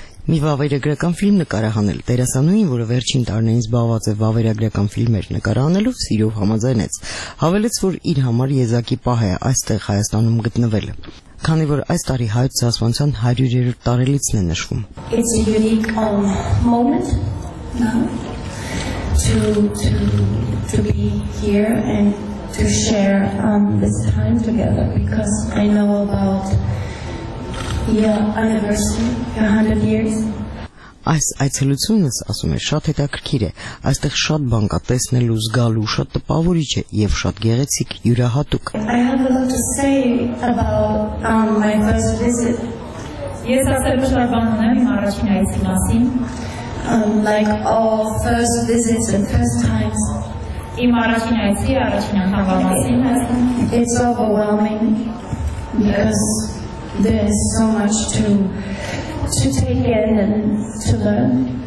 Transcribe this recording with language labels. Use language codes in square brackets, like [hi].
[hy] մի վավերագրական ֆիլմ նկարահանել։ Դերասանուհին, որը վերջին տարիներին զբաղված է վավերագրական ֆիլմեր նկարահանելով, սիրով համաձայնեց։ Հավելեց, որ իր համար եզակի պահ է այստեղ Հայաստանում գտնվելը։ քանի որ այս տարի հայոց զասպանության 100-երորդ տարելիցն է նշվում։ [en] It's a unique moment to be here and to share this time together, because I know about your anniversary, 100 years. [hy] Այս այցելությունս, ասում է, շատ հետաքրքիր է, այստեղ շատ բան կա տեսնելու, զգալու, շատ տպավորիչ է և շատ գեղեցիկ, յուրահատուկ։ [en] I have a lot to say about my first visit. [hy] Ես ասելու շատ բան ունեմ իմ առաջին այցի մասին։ [en] Like all first visits and first times. [hy] Իմ առաջին այցի, առաջին անգամվա մասին է։ [en] It's overwhelming because there's so much to take in and to learn.